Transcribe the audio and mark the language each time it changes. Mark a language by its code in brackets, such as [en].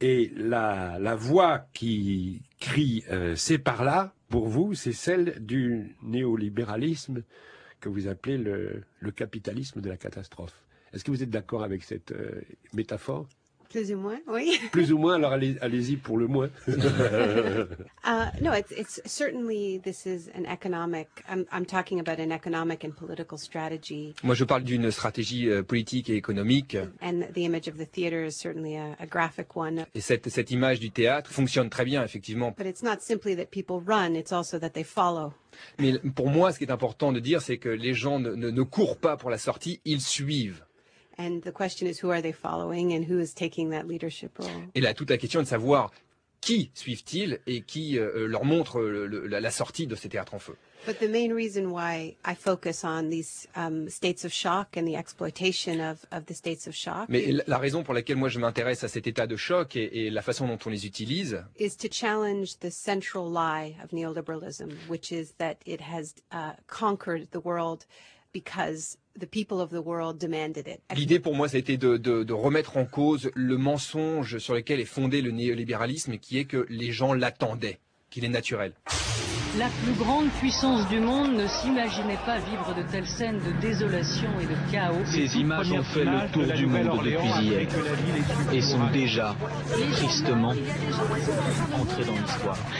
[fr] Et la voix qui crie « c'est par là », pour vous, c'est celle du néolibéralisme que vous appelez le capitalisme de la catastrophe. Est-ce que vous êtes d'accord avec cette métaphore ? Plus ou moins, oui. Plus ou moins, alors allez-y pour le moins. [en] No, it's certainly this is an economic. I'm talking about an economic and political strategy. [fr] Moi, je parle d'une stratégie politique et économique. [en] And the image of the theater is certainly a graphic one. [fr] Et cette image du théâtre fonctionne très bien, effectivement. [en] But it's not simply that people run; it's also that they follow. [fr] Mais pour moi, ce qui est important de dire, c'est que les gens ne courent pas pour la sortie, ils suivent. [en] And the question is, who are they following and who is taking that leadership role? [fr] Et là, toute la question est de savoir qui suivent-ils et qui leur montre la sortie de ces théâtres en feu. [en] But the main reason why I focus on these states of shock and the exploitation of the states of shock. [fr] Mais la raison pour laquelle moi je m'intéresse à cet état de choc et la façon dont on les utilise. [en] Is to challenge the central lie of neoliberalism, which is that it has conquered the world because the people of the world demanded it. [fr] L'idée pour moi, ça a été de remettre en cause le mensonge sur lequel est fondé le néolibéralisme, qui est que les gens l'attendaient, qu'il est naturel. La plus grande puissance du monde ne s'imaginait pas vivre de telles scènes de désolation et de chaos. Ces images ont fait le tour du monde depuis hier et sont déjà, tristement, entrées dans l'histoire.